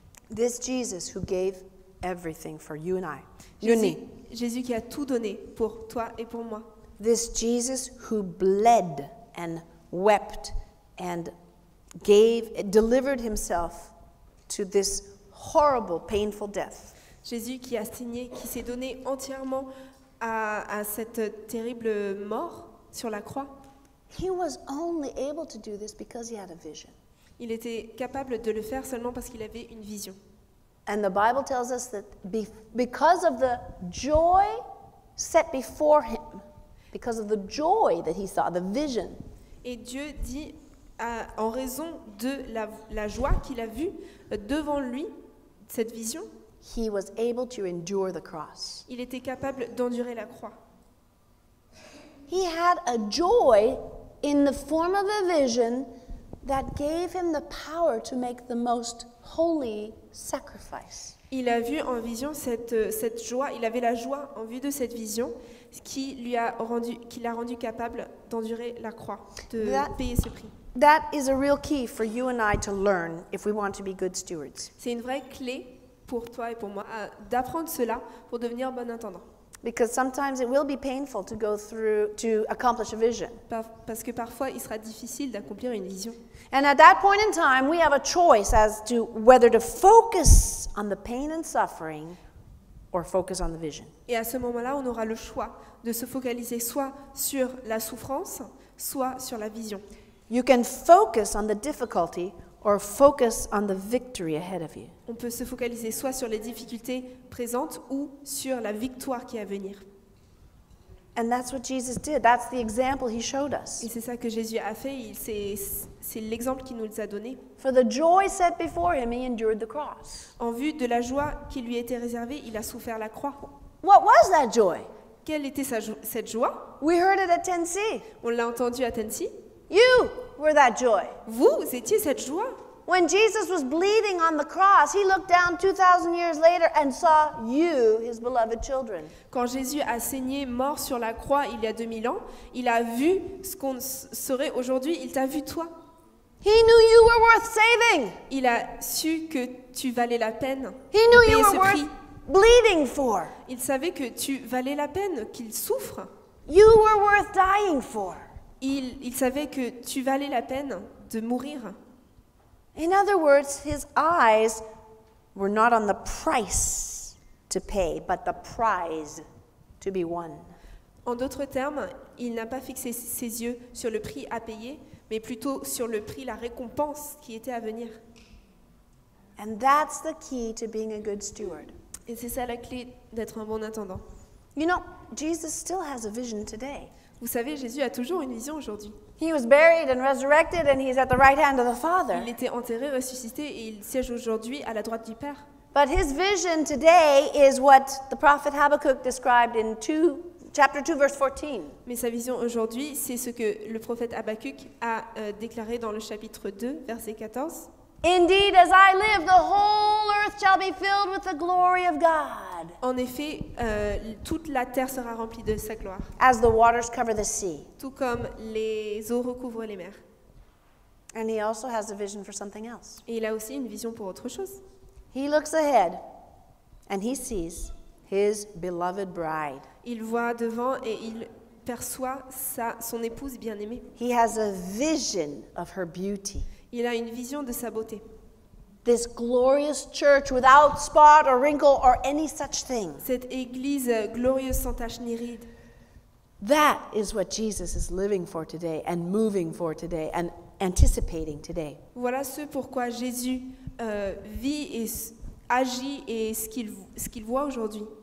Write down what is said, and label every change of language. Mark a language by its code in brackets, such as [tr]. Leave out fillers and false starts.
[en] This Jesus who gave everything for you and I. [fr] Jésus qui a tout donné pour toi et pour moi. [en] This Jesus who bled and wept and delivered himself to this horrible, painful death. [fr] Jésus qui a saigné, qui s'est donné entièrement à cette terrible mort sur la croix. [en] He was only able to do this because he had a vision. [fr] Il était capable de le faire seulement parce qu'il avait une vision. [en] And the Bible tells us that because of the joy set before him, because of the joy that he saw, the vision. [fr] Et Dieu dit en raison de la joie qu'il a vue devant lui, cette vision, [en] he was able to endure the cross. [fr] Il était capable d'endurer la croix. [en] He had a joy in the form of a vision that gave him the power to make the most holy sacrifice. [fr] Il a vu en vision cette joie, il avait la joie en vue de cette vision qui l'a rendu capable d'endurer la croix, payer ce prix. [en] That is a real key for you and I to learn if we want to be good stewards. [fr] C'est une vraie clé pour toi et pour moi d'apprendre cela pour devenir bon intendant. [en] Because sometimes it will be painful to go through to accomplish a vision. [fr] Parce que parfois il sera difficile d'accomplir une vision. [en] And at that point in time, we have a choice as to whether to focus on the pain and suffering or focus on the vision. [fr] Et à ce moment-là, on aura le choix de se focaliser soit sur la souffrance, soit sur la vision. [en] You can focus on the difficulty or focus on the victory ahead of you. [fr] On peut se focaliser soit sur les difficultés présentes ou sur la victoire qui est à venir. [en] And that's what Jesus did. That's the example he showed us. [fr] Et c'est ça que Jésus a fait. C'est l'exemple qu'il nous a donné. [en] For the joy set before him, he endured the cross. [fr] En vue de la joie qui lui était réservée, il a souffert la croix. [en] What was that joy? [fr] Quelle était cette joie? [en] We heard it at Tennessee. [fr] On l'a entendu à Tennessee. [en] You were that joy. [fr] Vous étiez cette joie. [en] When Jesus was bleeding on the cross, he looked down 2,000 years later and saw you, his beloved children. [fr] Quand Jésus a saigné mort sur la croix il y a 2000 ans, il a vu ce qu'on serait aujourd'hui. Il t'a vu toi. [en] He knew you were worth saving. [fr] Il a su que tu valais la peine. [en] He knew you were worth bleeding for. [fr] Il savait que tu valais la peine, qu'il souffre. [en] You were worth dying for. [fr] Il savait que tu valais la peine de mourir. [en] In other words, his eyes were not on the price to pay, but the prize to be won. [fr] En d'autres termes, il n'a pas fixé ses yeux sur le prix à payer, mais plutôt sur le prix, la récompense qui était à venir. [en] And that's the key to being a good steward. [fr] Et c'est ça la clé d'être un bon intendant. [en] You know, Jesus still has a vision today. [fr] Vous savez, Jésus a toujours une vision aujourd'hui. [en] He was buried and resurrected and he's at the right hand of the Father. [fr] Il était enterré, ressuscité et il siège aujourd'hui à la droite du Père. [en] But his vision today is what the prophet Habakkuk described in chapter 2 verse 14. [fr] Mais sa vision aujourd'hui, c'est ce que le prophète Habakkuk a déclaré dans le chapitre 2 verset 14. [en] Indeed, as I live, the whole earth shall be filled with the glory of God. [fr] En effet, toute la terre sera remplie de sa gloire. [en] As the waters cover the sea. [fr] Tout comme les eaux recouvrent les mers. [en] And he also has a vision for something else. [fr] Et il a aussi une vision pour autre chose. [en] He looks ahead. And he sees his beloved bride. [fr] Il voit devant et il perçoit sa, son épouse bien-aimée. [en] He has a vision of her beauty. [fr] Il a une vision de sa beauté. [en] This glorious church without spot or wrinkle or any such thing. [fr] Cette église glorieuse sans tache ni ride. [en] That is what Jesus is living for today and moving for today and anticipating today. [fr] Voilà ce pourquoi Jésus vit et agit et ce qu'il voit aujourd'hui.